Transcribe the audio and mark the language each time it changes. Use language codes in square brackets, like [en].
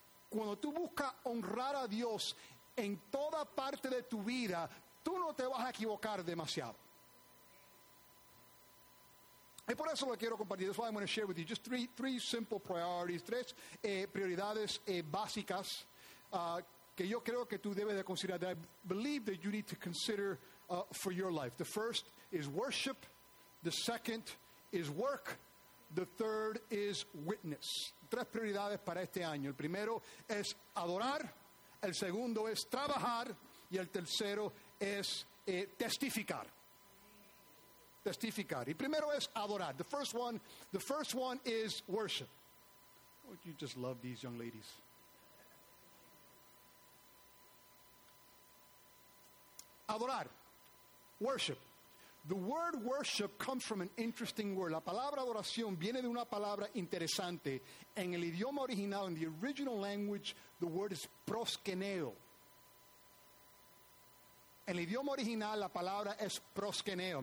[es] Cuando tú buscas honrar a Dios en toda parte de tu vida, tú no te vas a equivocar demasiado. Y por eso lo quiero compartir. [en] That's why I'm going to share with you just three simple priorities, [es] tres prioridades básicas que yo creo que tú debes de considerar, [en] that I believe that you need to consider for your life. The first is worship. The second is work. The third is witness. [es] Tres prioridades para este año. El primero es adorar. El segundo es trabajar. Y el tercero es testificar. Testificar. Y primero es adorar. [en] The first one is worship. Don't you just love these young ladies? Adorar. Worship. The word worship comes from an interesting word. [es] La palabra adoración viene de una palabra interesante. En el idioma original, [en] in the original language, the word is proskeneo. [es] En el idioma original, la palabra es proskeneo.